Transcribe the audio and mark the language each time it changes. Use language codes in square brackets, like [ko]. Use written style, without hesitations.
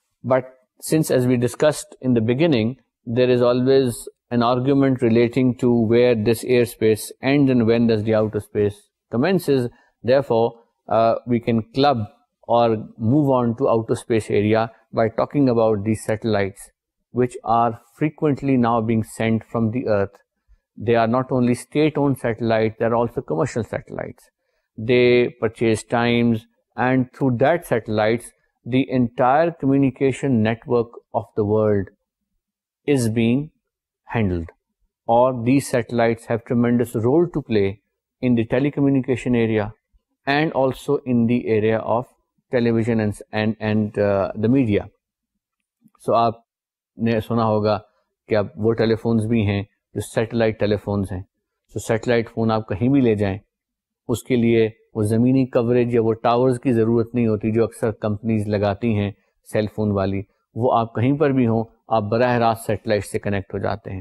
[en] But since as we discussed in the beginning there is always an argument relating to where this air space end and when this the outer space commences, therefore we can club or move on to outer space area by talking about the satellites which are frequently now being sent from the earth. They are not only state-owned satellites, they are also commercial satellites. They purchase times, and through that satellites the entire communication network of the world is being handled, or these satellites have tremendous role to play in the telecommunication area and also in the area of television and the media. [ur] So aap نے سنا ہوگا کہ اب وہ ٹیلی phones بھی ہیں جو satellite ٹیلی phones ہیں. سو سیٹلائٹ فون آپ کہیں بھی لے جائیں, اس کے لیے وہ زمینی کوریج یا وہ ٹاورز کی ضرورت نہیں ہوتی جو اکثر کمپنیز لگاتی ہیں سیل فون والی. وہ آپ کہیں پر بھی ہوں, آپ براہ راست سیٹلائٹ سے کنیکٹ ہو جاتے ہیں.